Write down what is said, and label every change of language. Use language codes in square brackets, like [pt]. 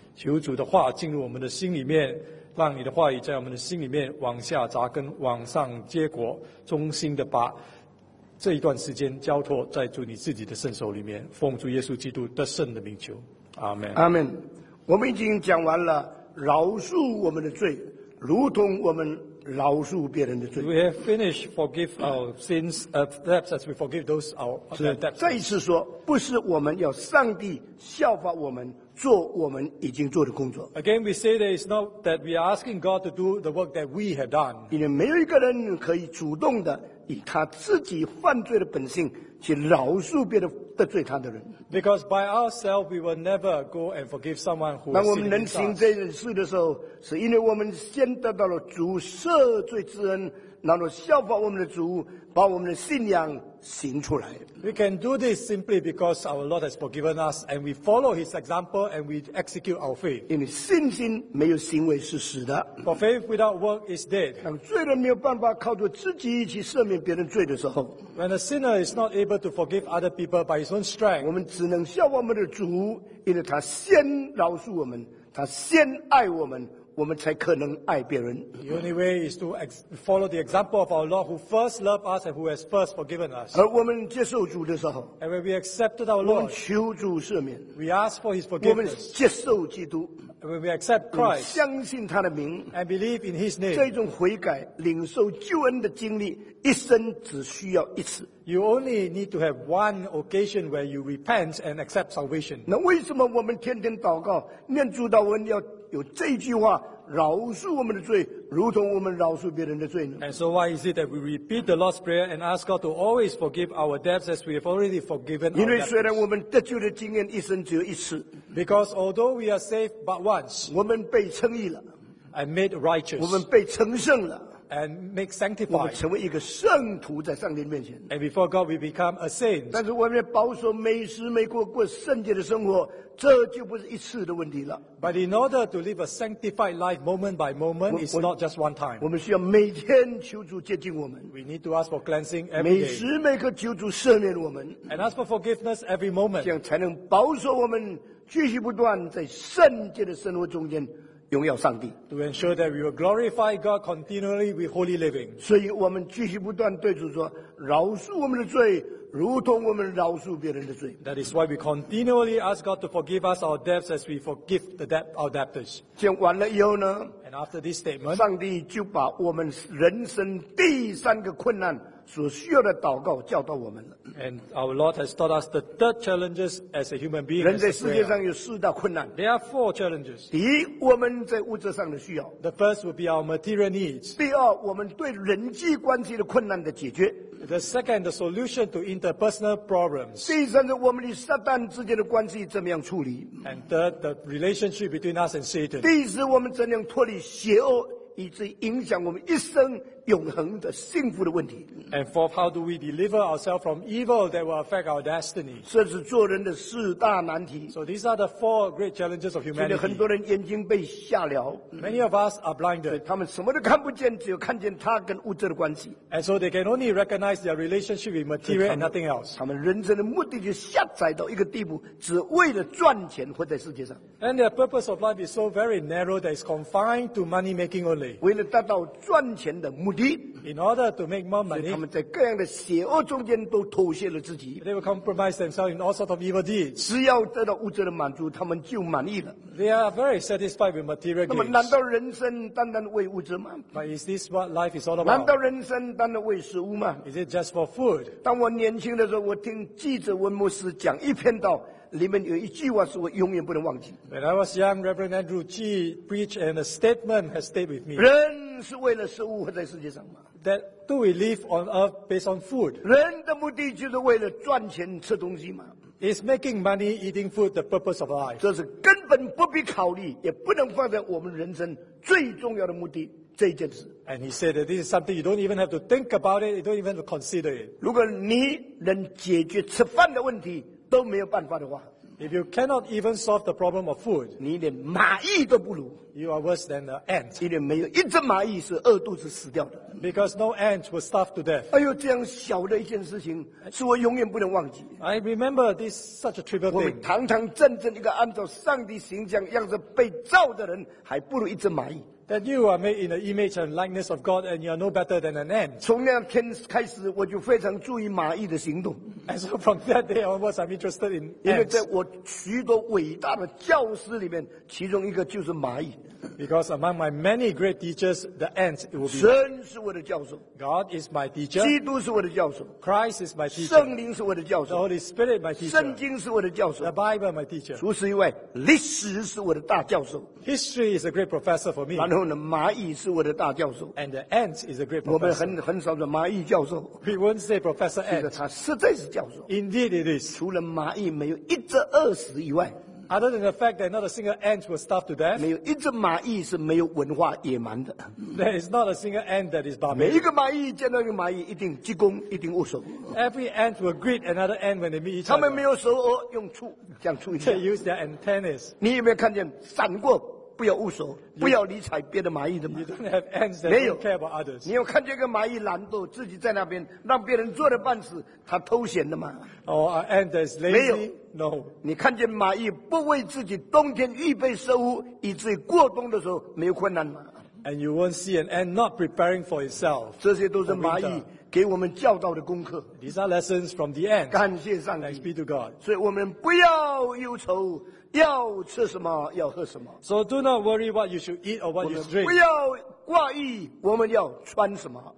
[zh] 求主的话进入我们的心里面，让你的话语在我们的心里面往下扎根，往上结果，衷心的把这一段时间交托在主你自己的圣手里面，奉主耶稣基督的圣的名求，阿们，阿们。我们已经讲完了饶恕我们的罪如同我们饶恕别人的罪。 [en] We have finished forgive our sins of debts as we forgive those our debts. [zh] 再一次说，不是我们要上帝效法我们做我们已经做的工作。 [en] Again, we say that it's not that we are asking God to do the work that we have done. [zh] 因为没有一个人可以主动的以他自己犯罪的本性去饶恕别人得罪他的人。 [en] Because by ourselves we will never go and forgive someone who. [zh] 那我们能行这件事的时候，是因为我们先得到了主赦罪之恩，然后效法我们的主，把我们的信仰行出来。 [en] We can do this simply because our Lord has forgiven us, and we follow His example, and we execute our faith. [zh] 因为信心没有行为是死的。 [en] For faith without work is dead. [zh] 当罪人没有办法靠着自己去赦免别人罪的时候 [en] ，When a sinner is not able to forgive other people by his own strength, [zh] 我们只能效法我们的主，因为他先饶恕我们，他先爱我们。我们才可能爱别人。 [en] The only way is to follow the example of our Lord, who first loved us and who has first forgiven us. [zh] 而我们接受主的时候 [en] ，and when we accepted our Lord, [zh] 我们求主赦免 [en] ，we ask for His forgiveness. [zh] 我们接受基督 [en] When we accept Christ, [zh] 相信他的名 [en] and believe in His name, [zh] 这种悔改领受救恩的经历一生只需要一次。 [en] You only need to have one occasion where you repent and accept salvation. [zh] 那为什么我们天天祷告念主祷文要有这句话饶恕我们的罪如同我们饶恕别人的罪呢？ [en] And so why is it that we repeat the Lord's Prayer and ask God to always forgive our debts as we have already forgiven our debts? [zh] 因为虽然我们得救的经验一生只有一次。 [en] Because although we are saved but once, [zh] 我们被称义了。 [en] And made righteous. [zh] 我们被成圣了。 [en] And make sanctified. [zh] 我们成为一个圣徒在上帝面前。 [en] And before God we become a saint. [zh] 但是我们要保守每时每刻过圣洁的生活这就不是一次的问题了。 [en] But in order to live a sanctified life moment by moment, it's not just one time. [zh] 我们需要每天求主接近我们。 [en] We need to ask for cleansing every day. [zh] 每时每刻求主赦免我们。 [en] And ask for forgiveness every moment. [zh] 这样才能保守我们继续不断在圣洁的生活中间荣耀上帝。 [en] To ensure that we will glorify God continually with holy living. [zh] 所以我们继续不断对主说，饶恕我们的罪如同我们饶恕别人的罪。 [en] That is why we continually ask God to forgive us our debts as we forgive the debt our debtors. [zh] 讲完了以后呢， [en] And after this statement, [zh] 上帝就把我们人生第三个困难所需要的祷告教导我们了。 [en] And our Lord has taught us the third challenges as a human being. [zh] 人在世界上有四大困难。 [en] There are four challenges. [zh] 第一，我们在物质上的需要。 [en] The first would be our material needs. [zh] 第二，我们对人际关系的困难的解决。 [en] The second, the solution to interpersonal problems. [zh] 第三，我们与撒旦之间的关系怎么样处理。 [en] And third, the relationship between us and Satan. [zh] 第四，我们怎样脱离邪恶以致影响我们一生永恒的幸福的问题。 [en] And fourth, how do we deliver ourselves from evil that will affect our destiny? [zh] 这是做人的四大难题。 [en] So these are the four great challenges of humanity. [zh] 现在很多人眼睛被瞎了。 [en] Many of us are blinded. [zh] 他们什么都看不见，只有看见他跟物质的关系。 [en] And so they can only recognize their relationship with material and nothing else. [zh] 他们人生的目的就狭窄到一个地步，只为了赚钱活在世界上。 [en] And their purpose of life is so very narrow that it's confined to money making only. [zh] 为了达到赚钱的目的。 [en] In order to make more money, [zh] 他们在各样的邪恶中间都妥协了自己。 [en] They will compromise themselves in all sorts of evil deeds. [zh] 只要得到物质的满足，他们就满意了。 [en] They are very satisfied with material gains. [zh] 那么，难道人生单单为物质吗？ [en] But is this what life is all about? [zh] 难道人生单单为食物吗？ [en] Is it just for food? [zh] 当我年轻的时候，我听记者温牧师讲一篇道。里面有一句话是我永远不能忘记。 [en] When I was young, Reverend Andrew Chi preached, and a statement has stayed with me. [zh] 人是为了食物活在世界上吗？ [en] That do we live on earth based on food? [zh] 人的目的就是为了赚钱吃东西吗？ [en] Is making money eating food the purpose of life? [zh] 这是根本不必考虑，也不能放在我们人生最重要的目的。这件事。 [en] And he said that this is something you don't even have to think about it, you don't even have to consider it. [zh] 如果你能解决吃饭的问题，都没有办法的话， [en] If you cannot even solve the problem of food, [zh] 你连蚂蚁都不如， [en] you are worse than the ant. [zh] 因为没有一只蚂蚁是饿肚子死掉的。 [en] Because no ant will starve to death. [zh] 哎呦，这样小的一件事情是我永远不能忘记。 [en] I remember this such a trivial thing. [zh] 我们堂堂正正一个按照上帝形象样子被造的人，还不如一只蚂蚁。 [en] That you are made in the image and likeness of God and you are no better than an ant. [zh] 从那天开始我就非常注意蚂蚁的行动。 [en] And so from that day onwards I'm interested in ants. [zh] 因为在我许多伟大的教师里面其中一个就是蚂蚁。 [en] Because among my many great teachers, the ants it will be. [zh] 神是我的教授。 [en] God is my teacher. [zh] 基督是我的教授。 [en] Christ is my teacher. [zh] 圣灵是我的教授。 [en] The Holy Spirit my teacher. [zh] 圣经是我的教授。 [en] The Bible my teacher. [zh] 除此以外历史是我的大教授。 [en] History is a great professor for me. [zh] 蚂蚁是我的大教授。 [en] And the ant is a great professor. [zh] 我们很少说蚂蚁教授。 [en] We won't say professor ant. [zh] 其实他实在是教授。 [en] Indeed it is. [zh] 除了蚂蚁没有一只饿死以外。 [en] Other than the fact that not a single ant will starve to death. [zh] 没有一只蚂蚁是没有文化野蛮的。 [en] There is not a single ant that is barbaric. [zh] 每一个蚂蚁见到一个蚂蚁一定鞠躬一定握手。 [en] Every ant will greet another ant when they meet each other. [zh] 他们没有手哦用触这样触一下。 [en] They use their antennas. [zh] 你有没有看见闪过不要误手不要理睬别的蚂蚁的嘛。 [en] You don't have ants that don't care about others. [zh] 你有看见一个蚂蚁懒惰自己在那边让别人做了半死他偷闲的吗？ [en] Oh, an ant that's lazy? [zh] 没有。 [en] No. [zh] 你看见蚂蚁不为自己冬天预备食物以至于过冬的时候没有困难吗？ [en] And you won't see an ant not preparing for itself. [zh] 这些都是蚂蚁给我们教导的功课。 [en] These are lessons from the end. [zh] 感谢上帝。 [en] Thanks be to God. [zh] 所以我们不要忧愁，要吃什么，要喝什么。 [en] So do not worry what you should eat or what you drink. [zh] 不要挂意，我们要穿什么。